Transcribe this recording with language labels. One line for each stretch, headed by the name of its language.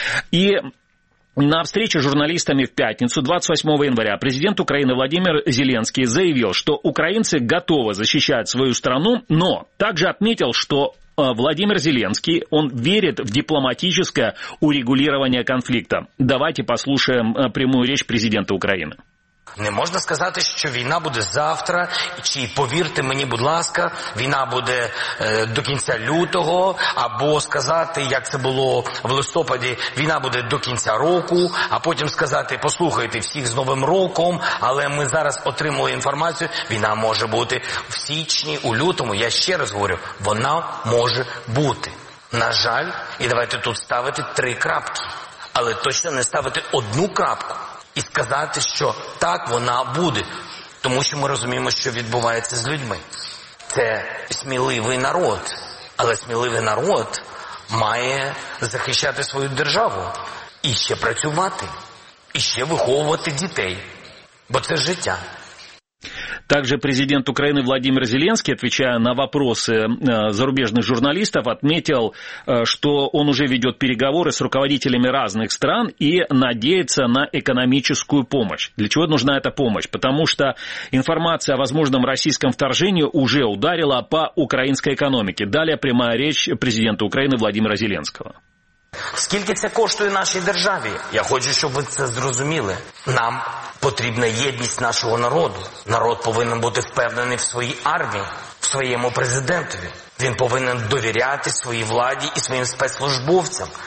Russian: И на встрече с журналистами в пятницу, 28 января, президент Украины Владимир Зеленский заявил, что украинцы готовы защищать свою страну, но также отметил, что Владимир Зеленский, он верит в дипломатическое урегулирование конфликта. Давайте послушаем прямую речь президента Украины.
Ukrainian: Не можна сказати, що війна буде завтра, чи повірте мені, будь ласка, війна буде до кінця лютого, або сказати, як це було в листопаді, війна буде до кінця року, а потім сказати, послухайте всіх з Новим роком, але ми зараз отримали інформацію, війна може бути в січні, у лютому, я ще раз говорю, вона може бути. На жаль, і давайте тут ставити три крапки, але точно не ставити одну крапку. І сказати, що так вона буде, тому що ми розуміємо, що відбувається з людьми. Це сміливий народ, але сміливий народ має захищати свою державу і ще працювати, і ще виховувати дітей, бо це життя.
Russian: Также президент Украины Владимир Зеленский, отвечая на вопросы зарубежных журналистов, отметил, что он уже ведет переговоры с руководителями разных стран и надеется на экономическую помощь. Для чего нужна эта помощь? Потому что информация о возможном российском вторжении уже ударила по украинской экономике. Далее прямая речь президента Украины Владимира Зеленского.
Ukrainian: Скільки це коштує нашій державі? Я хочу, щоб ви це зрозуміли. Нам потрібна єдність нашого народу. Народ повинен бути впевнений в своїй армії, в своєму президентові. Він повинен довіряти своїй владі і своїм спецслужбовцям.